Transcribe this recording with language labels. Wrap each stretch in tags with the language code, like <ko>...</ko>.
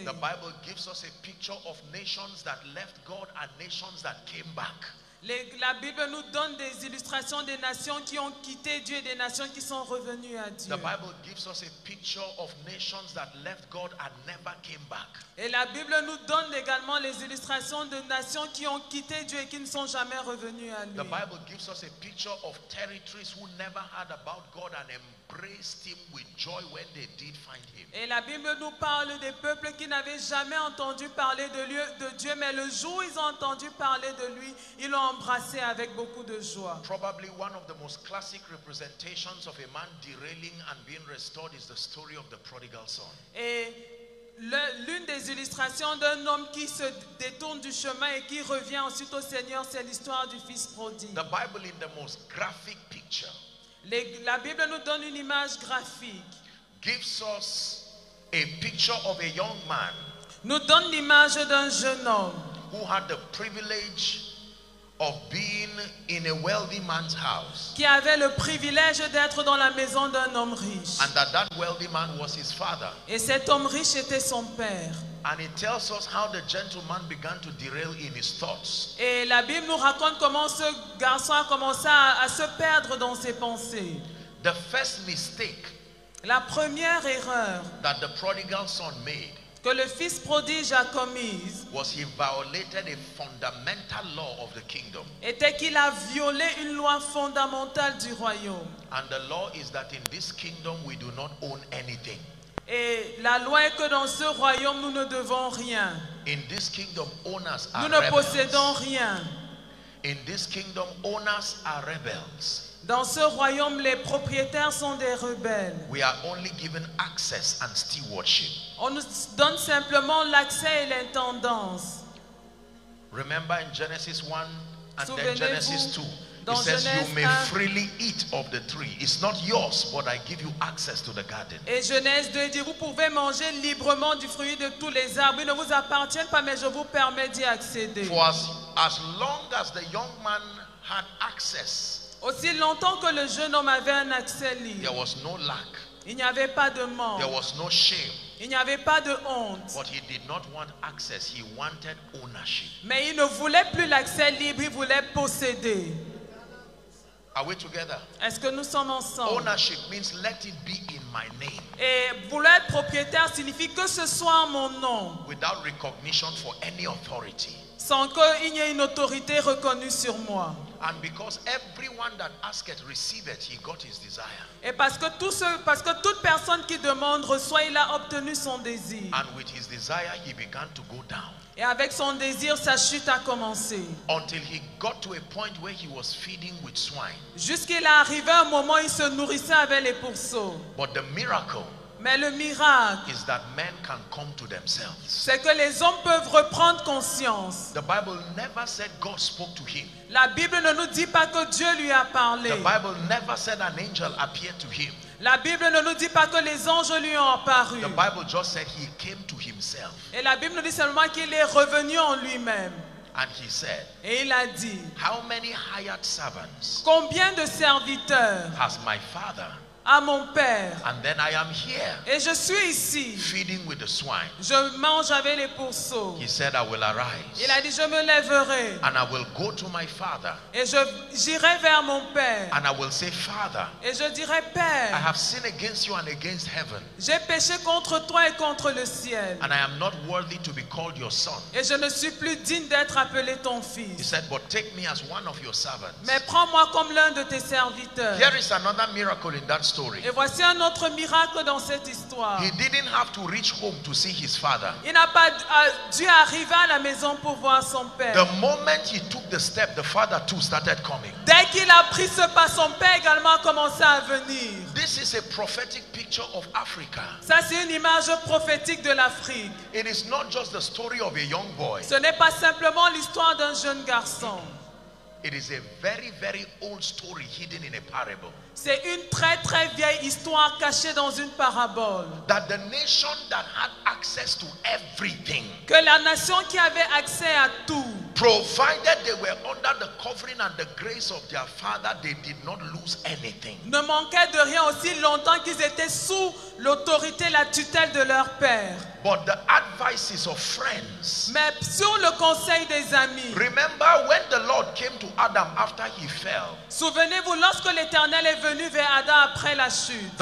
<en>The Bible gives us a picture of nations that left God and nations that came back.</en> <fr>La Bible nous donne des illustrations des nations qui ont quitté Dieu et des nations qui sont revenues à Dieu.</fr> <en>The Bible gives us a picture of nations that left God and never came back.</en> <fr>Et la Bible nous donne également les illustrations de nations qui ont quitté Dieu et qui ne sont jamais revenues à lui.</fr> <en>The Bible gives us a picture of territories who never heard about God and embraced him with joy when they did find him.</en> <fr>Et la Bible nous parle des peuples qui n'avaient jamais entendu parler de Dieu, mais le jour où ils ont entendu parler de lui, ils l'ont embrassé avec beaucoup de joie.</fr> <en>Probably one of the most classic representations of a man derailing and being restored is the story of the prodigal son.</en> <fr>Et l'une des illustrations d'un homme qui se détourne du chemin et qui revient ensuite au Seigneur, c'est l'histoire du fils prodigue.</fr> <en>The Bible in the most graphic picture.</en> <fr>La Bible nous donne une image graphique.</fr> <en>Gives us a picture of a young man.</en> <fr>Nous donne l'image d'un jeune homme.</fr> <en>Who had the privilege of being in a wealthy man's house.</en> <fr>Qui avait le privilège d'être dans la maison d'un homme riche.</fr> <en>And that wealthy man was his father.</en> <fr>Et cet homme riche était son père.</fr> <en>And it tells us how the gentleman began to derail in his thoughts.</en> <fr>Et la Bible nous raconte comment ce garçon a commencé à se perdre dans ses pensées.</fr> <en>The first mistake.</en> <fr>La première erreur.</fr> <en>That the prodigal son made.</en> <fr>Que le fils prodige a commis</fr> <en>was he violated a fundamental law of the kingdom.</en> <fr>Était qu'il a violé une loi fondamentale du royaume.</fr> <en>And the law is that in this kingdom we do not own anything.</en> <fr>Et la loi est que dans ce royaume nous ne devons rien.</fr> <en>In this kingdom owners are</en> <fr>nous ne</fr> <en>rebels.</en> <fr>Possédons rien.</fr> <en>In this kingdom owners are rebels.</en> <fr>Dans ce royaume, les propriétaires sont des rebelles.</fr> <en>We are only given access and stewardship.</en> <fr>On nous donne simplement l'accès et l'intendance.</fr> <en>Remember in Genesis 1 and then Genesis 2.</en> <fr>Dans</fr> <en>it says</en> <fr>Genèse</fr> <en>you may freely eat of the tree. It's not yours, but I give you access to the garden.</en> <fr>Et Genèse 2 dit, vous pouvez manger librement du fruit de tous les arbres. Ils ne vous appartiennent pas, mais je vous permets d'y accéder.</fr> <en>For as long as the young man had access.</en> <fr>Aussi longtemps que le jeune homme avait un accès libre,</fr> <en>there was no lack.</en> <fr>Il n'y avait pas de manque.</fr> <en>There was no shame.</en> <fr>Il n'y avait pas de honte.</fr> <en>But he did not want access. He wanted ownership.</en> <fr>Mais il ne voulait plus l'accès libre, il voulait posséder.</fr> <en>Are we together?</en> <fr>Est-ce que nous sommes ensemble?</fr> <en>Ownership means let it be in my name.</en> <fr>Et vouloir être propriétaire signifie que ce soit en mon nom.</fr> <en>Without recognition for any authority.</en> <fr>Sans qu'il n'y ait une autorité reconnue sur moi.</fr> <en>And because everyone that asketh receiveth, he got his desire.</en> <fr>Et parce que toute personne qui demande reçoit, il a obtenu son désir.</fr> <en>And with his desire, he began to go down.</en> <fr>Et avec son désir, sa chute a commencé.</fr> <en>Until he got to a point where he was feeding with swine.</en> <fr>Jusqu'il a arrivé un moment où il se nourrissait avec les pourceaux.</fr> <en>But the miracle.</en> <fr>Mais le miracle,</fr> <en>is that men can come to themselves.</en> <fr>C'est que les hommes peuvent reprendre conscience.</fr> <en>The Bible never said God spoke to him.</en> <fr>La Bible ne nous dit pas que Dieu lui a parlé.</fr> <en>The Bible never said an angel appeared to him.</en> <fr>La Bible ne nous dit pas que les anges lui ont apparu.</fr> <en>The Bible just said he came to himself.</en> <fr>Et la Bible nous dit seulement qu'il est revenu en lui-même.</fr> <en>And he said,</en> <fr>et il a dit,</fr> <en>how many hired servants?</en> <fr>Combien de serviteurs?</fr> <en>Has my father?</en> <fr>À mon père.</fr> <en>And then I am here.</en> <fr>Et je suis ici.</fr> <en>Feeding with the swine.</en> <fr>Je mange avec les pourceaux.</fr> <en>He said, I will arise.</en> <fr>Il a dit, je me lèverai.</fr> <en>And I will go to my father.</en> <fr>Et j'irai vers mon père.</fr> <en>And I will say, Father.</en> <fr>Et je dirai, Père.</fr> <en>I have sinned against you and against heaven.</en> <fr>J'ai péché contre toi et contre le ciel.</fr> <en>And I am not worthy to be called your son.</en> <fr>Et je ne suis plus digne d'être appelé ton fils.</fr> <en>He said, but take me as one of your servants.</en> <fr>Mais prends-moi comme l'un de tes serviteurs.</fr> <en>Here is another miracle in that story.</en> <fr>Et voici un autre miracle dans cette histoire.</fr> <en>He didn't have to reach home to see his father.</en> <fr>Il n'a pas dû arriver à la maison pour voir son père.</fr> <en>The moment he took the step, the father too started coming.</en> <fr>Dès qu'il a pris ce pas, son père également a commencé à venir.</fr> <en>This is a prophetic picture of Africa.</en> <fr>Ça, c'est une image prophétique de l'Afrique.</fr> <en>It is not just the story of a young boy.</en> <fr>Ce n'est pas simplement l'histoire d'un jeune garçon.</fr> <en>It is a very, very old story hidden in a parable.</en> <fr>C'est une très, très vieille histoire cachée dans une parabole.</fr> <en>That the nation that had access to everything.</en> <fr>Que la nation qui avait accès à tout.</fr> <en>Provided they were under the covering and the grace of their father, they did not lose anything.</en> <fr>Ne manquait de rien aussi longtemps qu'ils étaient sous l'autorité, la tutelle de leur père.</fr> <en>But the advices of friends.</en> <fr>Mais sur le conseil des amis.</fr> <en>Remember when the Lord came to Adam after he fell.</en> <fr>Souvenez-vous lorsque l'Éternel est venu vers Adam après la chute.</fr>